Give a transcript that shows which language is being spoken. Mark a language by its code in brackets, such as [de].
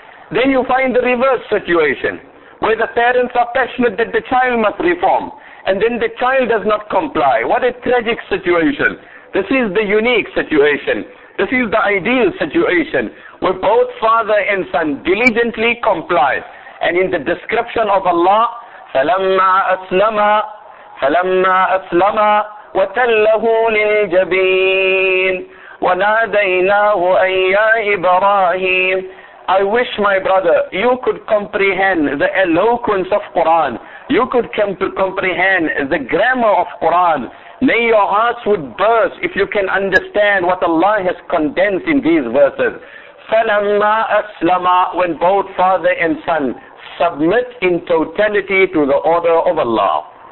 [en] Then you find the reverse situation, where the parents are passionate that the child must reform, and then the child does not comply. What a tragic situation. This is the unique situation. This is the ideal situation, where both father and son diligently comply. And in the description of Allah, [ar] فَلَمَّا أَسْلَمَا وَتَلَّهُ لِلْجَبِينَ وَنَادَيْنَاهُ أَيَّا إِبْرَاهِيمَ. [en] I wish, my brother, you could comprehend the eloquence of Quran. You could comprehend the grammar of Quran. May your hearts would burst if you can understand what Allah has condensed in these verses. [ar] فَلَمَّا أَسْلَمَا, [en] when both father and son submit in totality to the order of Allah.